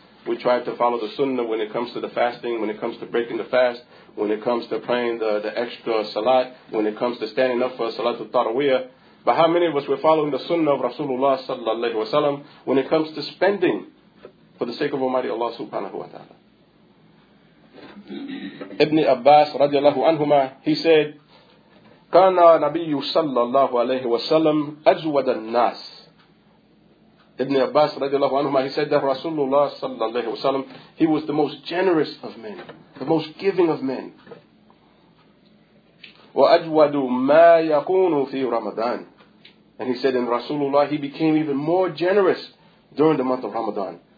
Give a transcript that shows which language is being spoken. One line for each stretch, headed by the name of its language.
English: We try to follow the sunnah when it comes to the fasting, when it comes to breaking the fast, when it comes to praying the extra salat, when it comes to standing up for salatul tarawiyah. But how many of us were following the sunnah of Rasulullah sallallahu alayhi wa sallam when it comes to spending for the sake of Almighty Allah subhanahu wa ta'ala?
Arabic: Ibn Abbas radiallahu anhuma,
English: he said,
Arabic: كان نبي صلى الله عليه وسلم أجود الناس.
English: Ibn Abbas رضي الله عنهما, he said that Rasulullah صلى الله عليه وسلم, he was the most generous of men, the most giving of men.
Arabic: وأجود ما يكون في رمضان.
English: And he said, and Rasulullah, he became even more generous during the month of Ramadan.